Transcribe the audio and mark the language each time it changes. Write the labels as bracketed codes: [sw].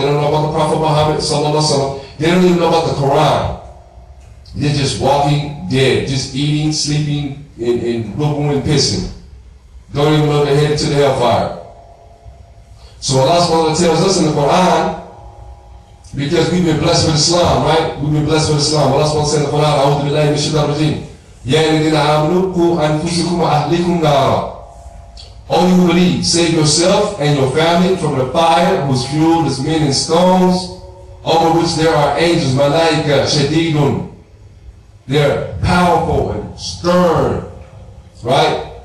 [en] They don't know about the Prophet Muhammad, sallallahu alaihi wasallam. They don't even know about the Quran. They're just walking dead. Just eating, sleeping, and looking and pissing. Don't even know they're headed to the hellfire. So Allah subhanahu wa ta'ala tells us in the Quran, because we've been blessed with Islam, right? We've been blessed with Islam. Allah SWT said in the Quran, [ar] أعوذ بالله من الشيطان الرجيم. يَا الَّذِينَ آمَنُوا قُوا أَنفُسَكُمْ وَأَهْلِيكُمْ نَارًا. [en] All you believe, save yourself and your family from the fire whose fuel is men and stones. over which there are angels, malaika, shadidun. They're powerful and stern, right?